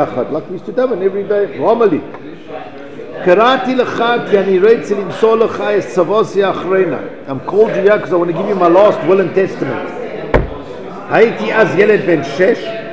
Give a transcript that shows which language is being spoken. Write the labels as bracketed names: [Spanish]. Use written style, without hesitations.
[English] Like we used to daven every day, normally. [Hebrew] קראתי לך כי אני רוצה למסור לך את צוואתי האחרונה. [English] I'm called you here because I want to give you my last will and testament. [Hebrew] הייתי אז ילד בן שש.